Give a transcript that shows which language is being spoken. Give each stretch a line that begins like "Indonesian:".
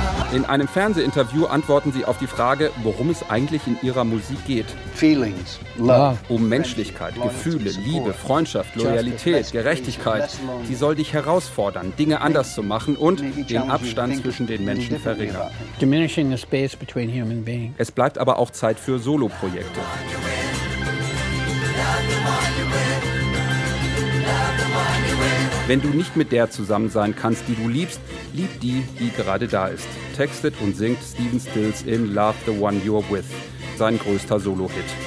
German: In einem Fernsehinterview antworten sie auf die Frage, worum es eigentlich in ihrer Musik geht.
English: Feelings, love.
German: Um Menschlichkeit, Gefühle, Liebe, Freundschaft, Loyalität, Gerechtigkeit. Sie soll dich herausfordern, Dinge anders zu machen und den Abstand zwischen den Menschen verringern.
English: Diminishing the space between human beings.
German: Es bleibt aber auch Zeit für Soloprojekte. Wenn du nicht mit der zusammen sein kannst, die du liebst, lieb die, die gerade da ist. Textet und singt Stephen Stills in Love the One You're With, sein größter Solo-Hit.